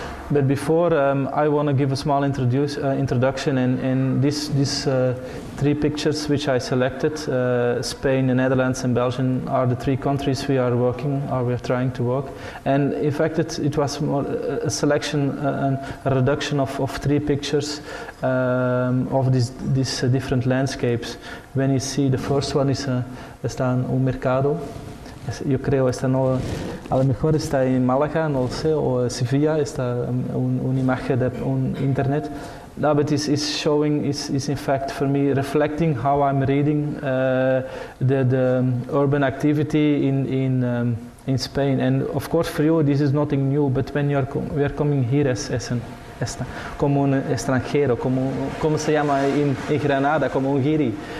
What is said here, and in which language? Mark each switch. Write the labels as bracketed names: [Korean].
[English] But before, I want to give a small introduction, and this three pictures which I selected, Spain, the Netherlands and Belgium, are the three countries we are working, or we are trying to work. And in fact, it was more a selection, a reduction of three pictures of these different landscapes. When you see the first one is [Spanish] un mercado. Yo creo está no, a lo mejor está en Málaga, no lo sé, o Sevilla, está un imagen de un internet. [English] No, but it's showing, is in fact for me reflecting how I'm reading the urban activity in Spain. And of course for you this is nothing new, but when we are coming here [Spanish] como un extranjero, como se llama en Granada, como un guiri.